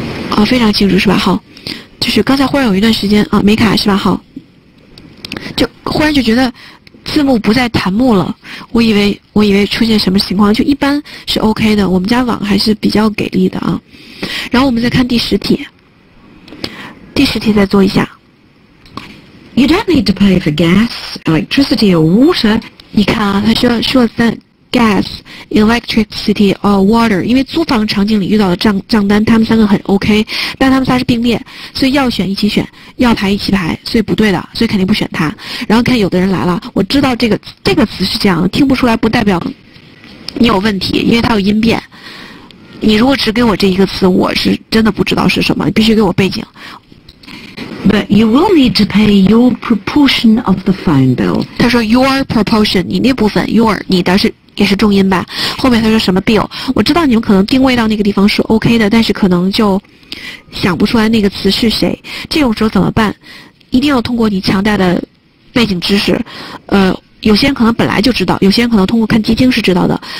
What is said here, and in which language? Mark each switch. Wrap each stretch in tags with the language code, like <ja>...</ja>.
<zh>啊，非常清楚是吧？好。就是刚才忽然有一段时间啊没卡是吧，好，就忽然就觉得字幕不在弹幕了，我以为出现什么情况，就一般是 OK 的，我们家网还是比较给力的啊。然后我们再看第十题，第十题再做一下。</zh> <en>You don't need to pay for gas, electricity or water.</en> <zh>你看啊，他说三</zh> <en>gas, electricity or water,</en> <zh>因为租房场景里遇到的账单他们三个很 OK, 但他们仨是并列，所以要选一起选，要排一起排，所以不对的，所以肯定不选他。然后看有的人来了，我知道这个词是这样，听不出来不代表你有问题，因为它有音变。你如果只给我这一个词，我是真的不知道是什么，你必须给我背景。</zh> <en>But you will need to pay your proportion of the phone bill.</en> <zh>他说</zh> <en>your proportion,</en> <zh>你那部分 your, 你的是也是重音吧，后面他说什么 bill, 我知道你们可能定位到那个地方是 OK 的，但是可能就想不出来那个词是谁，这种时候怎么办？一定要通过你强大的背景知识，有些人可能本来就知道，有些人可能通过看基金是知道的。</zh>